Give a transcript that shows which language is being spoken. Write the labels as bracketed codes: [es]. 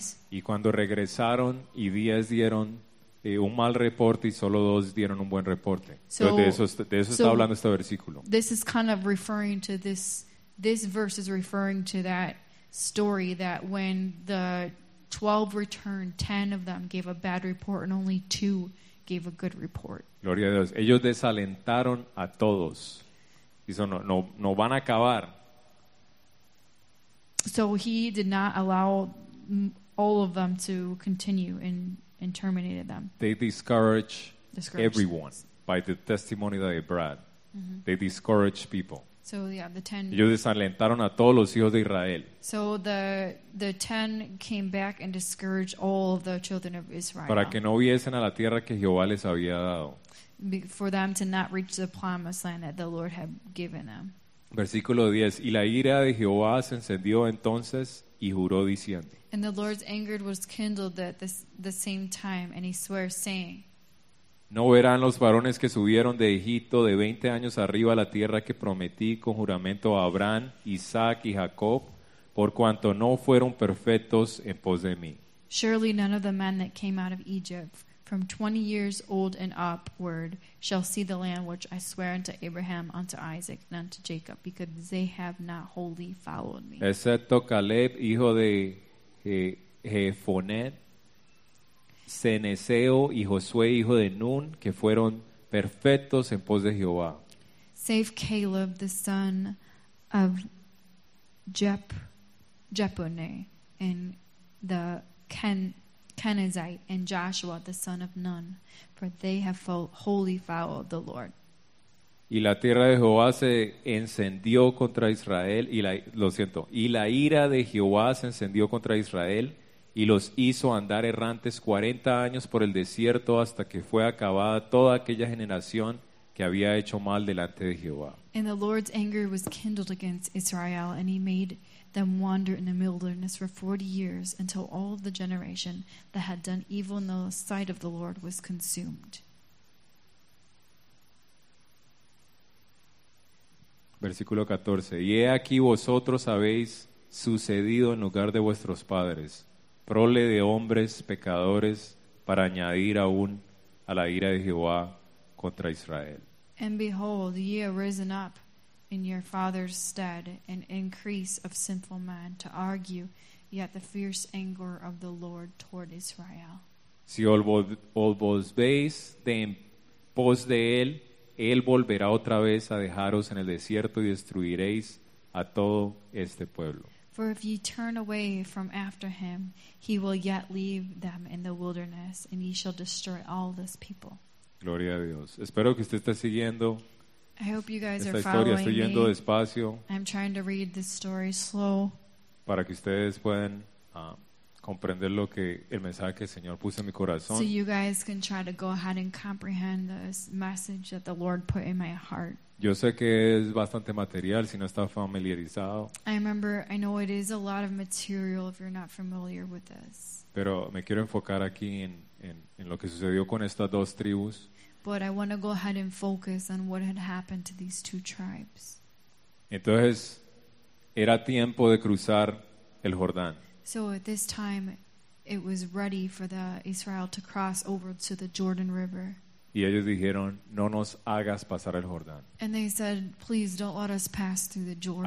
[es] Y cuando regresaron y 10 dieron un mal reporte y solo 2 dieron un buen reporte. [en] So, [es] de eso está hablando este versículo. [en] This is kind of referring to this. This verse is referring to that story that when the 12 returned, 10 of them gave a bad report and only 2 gave a good report. [es] Gloria a Dios. Ellos desalentaron a todos. Dijo, no van a acabar. [en] So he did not allow all of them to continue and terminated them. They discouraged everyone by the testimony that they brought. Mm-hmm. They discouraged people. So, yeah, the ten, [es] ellos desalentaron a todos los hijos de Israel. [en] So the ten came back and discouraged all the children of Israel. [es] Para que no viesen a la tierra que Jehová les había dado. [en] For them to not reach the promised land that the Lord had given them. [es] Versículo 10. Y la ira de Jehová se encendió entonces y juró diciendo. [en] And the Lord's anger was kindled at the same time, and he swore, saying. [es] No verán los varones que subieron de Egipto de 20 años arriba a la tierra que prometí con juramento a Abraham, Isaac y Jacob, por cuanto no fueron perfectos en pos de mí. [en] Surely none of the men that came out of Egypt from 20 years old and upward shall see the land which I swear unto Abraham, unto Isaac, and unto Jacob, because they have not wholly followed me. [es] Excepto Caleb, hijo de Jefonet, Ceneseo y Josué, hijo de Nun, que fueron perfectos en pos de Jehová. [en] Save Caleb, the son of Jephunneh, and the Kenizzite, and Joshua, the son of Nun, for they have wholly followed the Lord. [es] Y la tierra de Jehová se encendió contra Israel, y la ira de Jehová se encendió contra Israel, y los hizo andar errantes 40 años por el desierto hasta que fue acabada toda aquella generación que había hecho mal delante de Jehová. [en] And the Lord's anger was kindled against Israel, and he made them wander in the wilderness for 40 years until all of the generation that had done evil in the sight of the Lord was consumed. [es] Versículo 14. Y he aquí vosotros habéis sucedido en lugar de vuestros padres, prole de hombres pecadores para añadir aún a la ira de Jehová contra Israel. [en] And behold, ye are risen up in your father's stead, an increase of sinful men to argue yet the fierce anger of the Lord toward Israel. [es] Si os volvéis de en pos de él, él volverá otra vez a dejaros en el desierto y destruiréis a todo este pueblo. [en] For if ye turn away from after him, he will yet leave them in the wilderness, and ye shall destroy all this people. [es] Gloria a Dios. Espero que usted esté siguiendo. [en] I hope you guys [es] esta [en] are following [es] estoy yendo [en] me. [es] Despacio. [en] I'm trying to read this story slow. [es] Para que ustedes puedan comprender lo que el mensaje que el Señor puso en mi corazón. [en] So you guys can try to go ahead and comprehend this message that the Lord put in my heart. [es] Yo sé que es bastante material si no está familiarizado. [en] I know it is a lot of material if you're not familiar with this. [es] Pero me quiero enfocar aquí en lo que sucedió con estas dos tribus. [en] But I want to go ahead and focus on what had happened to these two tribes. [es] Entonces, era tiempo de cruzar el Jordán. [en] So at this time, it was ready for the Israel to cross over to the Jordan River. [es] Y ellos dijeron, no nos hagas pasar el Jordán. [en] And they said, please don't let us pass through the Jordan.